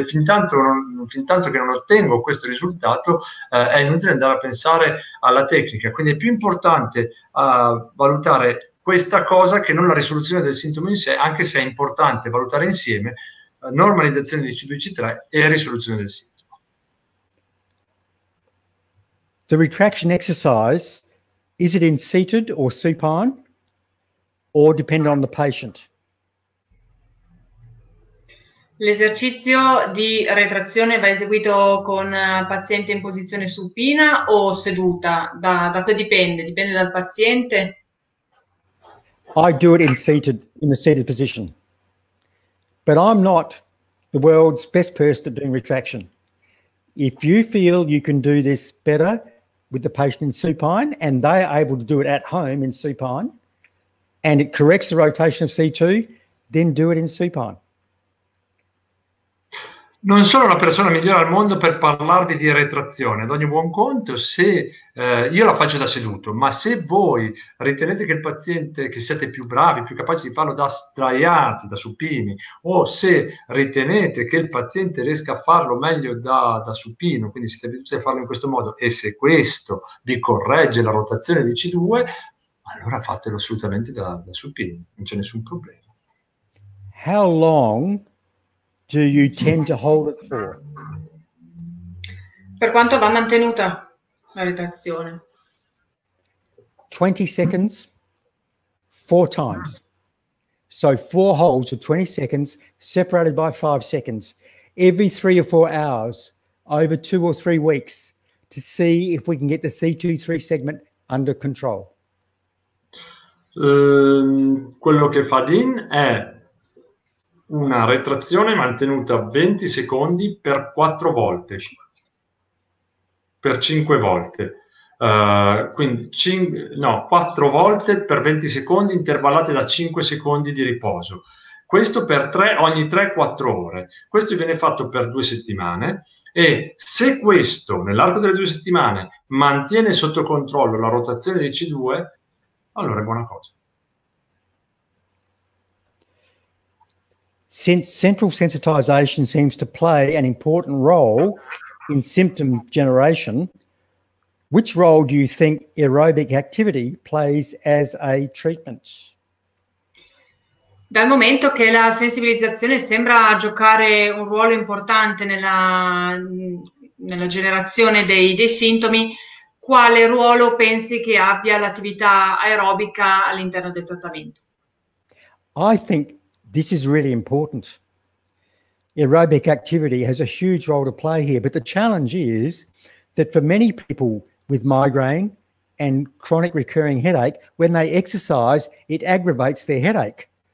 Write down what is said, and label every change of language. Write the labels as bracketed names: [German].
[Italian] E fin tanto che non ottengo questo risultato, è inutile andare a pensare alla tecnica. Quindi è più importante a valutare questa cosa che non la risoluzione del sintomo in sé, anche se è importante valutare insieme normalizzazione di C2-C3 e risoluzione del sintomo. [English] The retraction exercise, is it in seated or supine, or depend on the patient? [Italian] L'esercizio di retrazione va eseguito con paziente in posizione supina o seduta? Da che dipende dal paziente? [English] I do it in a seated position. But I'm not the world's best person at doing retraction. If you feel you can do this better with the patient in supine and they are able to do it at home in supine and it corrects the rotation of C2, then do it in supine. [Italian] Non sono la persona migliore al mondo per parlarvi di retrazione. Ad ogni buon conto, se io la faccio da seduto, ma se voi ritenete che il paziente, che siete più bravi, più capaci di farlo da sdraiati, da supini, o se ritenete che il paziente riesca a farlo meglio da supino, quindi siete abituati a farlo in questo modo, e se questo vi corregge la rotazione di C2, allora fatelo assolutamente da supino, non c'è nessun problema. [English] How long do you tend to hold it for? [Italian] Per quanto va mantenuta la retrazione? [English] 20 seconds, 4 times. So 4 holds of 20 seconds separated by 5 seconds. Every 3 or 4 hours over 2 or 3 weeks to see if we can get the C2-3 segment under control. [Italian] Quello che fa Dean è una retrazione mantenuta 20 secondi per 4 volte, per 5 volte, quindi 4 volte per 20 secondi intervallate da 5 secondi di riposo. Questo per ogni 3-4 ore. Questo viene fatto per 2 settimane e se questo nell'arco delle 2 settimane mantiene sotto controllo la rotazione di C2, allora è buona cosa. [English] Since central sensitization seems to play an important role in symptom generation, which role do you think aerobic activity plays as a treatment? [Italian] Dal momento che la sensibilizzazione sembra giocare un ruolo importante nella generazione dei sintomi, quale ruolo pensi che abbia l'attività aerobica all'interno del trattamento? [English] I think this is really important. Aerobic activity has a huge role to play here, but the challenge is that for many people with migraine and chronic recurring headache, when they exercise, it aggravates their headache.